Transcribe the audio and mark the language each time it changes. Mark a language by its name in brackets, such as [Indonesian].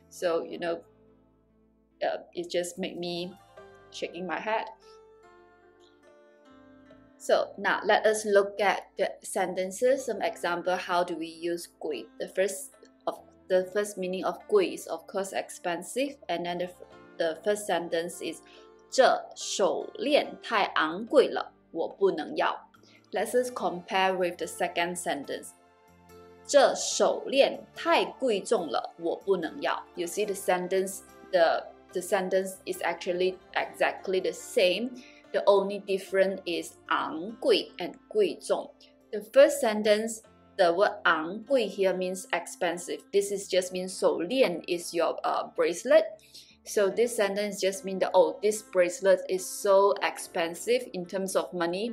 [English] So, you know, it just made me shaking my head. So now let us look at the sentences, some example, how do we use 贵? The first meaning of gui is of course expensive, and then the first sentence is [Chinese] 这手链太昂贵了，我不能要。 [English] Let's just compare with the second sentence. [Chinese] 这手链太贵重了，我不能要。 [English] You see the sentence, the sentence is actually exactly the same. The only difference is 昂贵 and 贵重. The first sentence,The word 昂贵 here means expensive. This is just means 手链 is your bracelet. So this sentence just means that, oh, this bracelet is so expensive in terms of money.